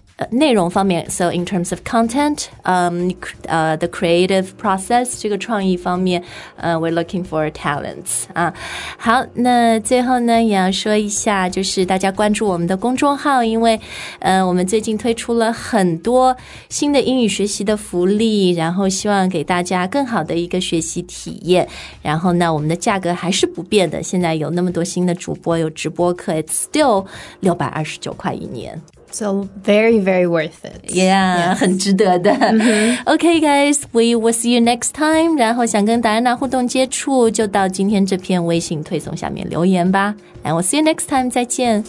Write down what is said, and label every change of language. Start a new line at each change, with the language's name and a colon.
Chinese: 内容方面
English: so in terms of content, the creative process,
Chinese: 这个创意方面、
English: we're looking for talents.、
Chinese: 好那最后呢也要说一下就是大家关注我们的公众号因为、我们最近推出了很多新的英语学习的福利然后希望给大家更好的一个学习体验然后呢我们的价格还是不变的现在有那么多新的主播有直播课
English: it's still
Chinese: 629块一年。
English: So very, very worth it. Yeah, yes.
Chinese: 很值得的、
English: mm-hmm. Okay guys, we will see you next time.
Chinese: 然后想跟达安娜互动接触就到今天这篇微信推送下面留言吧
English: And we'll see you next time.
Chinese: 再见